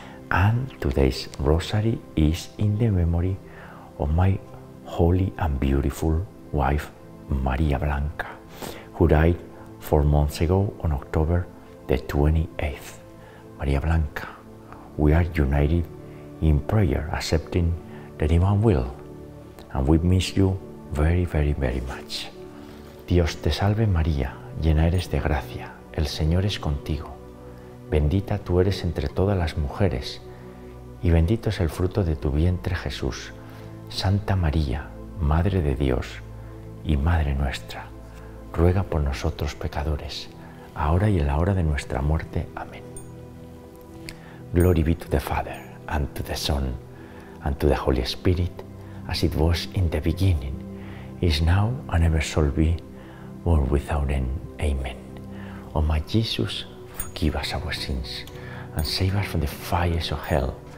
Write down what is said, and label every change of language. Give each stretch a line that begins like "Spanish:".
English: And today's Rosary is in the memory of my holy and beautiful wife, María Blanca, who died 4 months ago on October the 28th. María Blanca, we are united in prayer, accepting the divine will, and we miss you very, very, very much.
Spanish: Dios te salve, María, llena eres de gracia, el Señor es contigo. Bendita tú eres entre todas las mujeres, y bendito es el fruto de tu vientre, Jesús. Santa María, Madre de Dios y Madre nuestra, ruega por nosotros pecadores, ahora y en la hora de nuestra muerte. Amén.
English: Glory be to the Father, and to the Son, and to the Holy Spirit, as it was in the beginning, is now, and ever shall be, world without end. Amen. O my Jesus, forgive us our sins, and save us from the fires of hell.